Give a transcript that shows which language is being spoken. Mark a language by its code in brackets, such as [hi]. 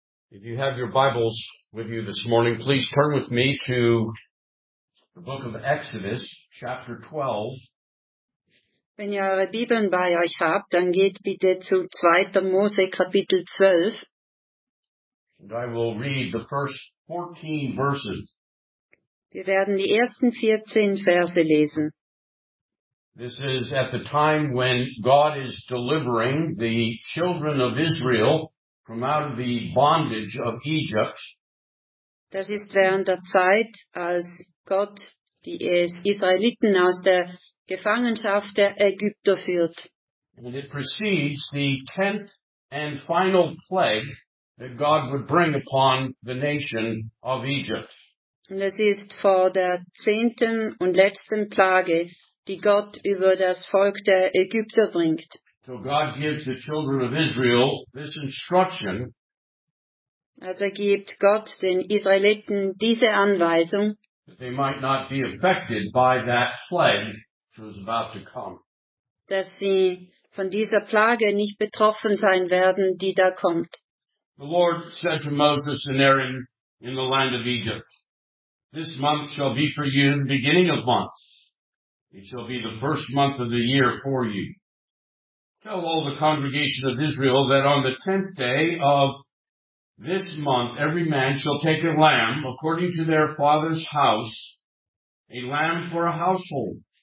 [en] If you have your Bibles with you this morning, please turn with me to the book of Exodus, chapter 12. [de] Wenn ihr eure Bibeln bei euch habt, dann geht bitte zu 2. Mose, Kapitel 12. [en] And I will read the first 14 verses. [de] Wir werden die ersten 14 Verse lesen. [en] This is at the time when God is delivering the children of Israel from out of the bondage of Egypt. [de] Das ist während der Zeit, als Gott die Israeliten aus der Gefangenschaft der Ägypter führt. [en] And it precedes the 10th and final plague that God would bring upon the nation of Egypt. [de] Und es ist vor der 10. und letzten Plage, die Gott über das Volk der Ägypter bringt. [en] So God gives the children of Israel this instruction. [de] Also gibt Gott den Israeliten diese Anweisung. [en] That they might not be affected by that plague that was about to come. [de] Dass sie von dieser Plage nicht betroffen sein werden, die da kommt. [en] The Lord said to Moses and Aaron in the land of Egypt, "This month shall be for you the beginning of months. It shall be the first month of the year for you. Tell all the congregation of Israel that on the 10th day of this month, every man shall take a lamb according to their father's house, a lamb for a household.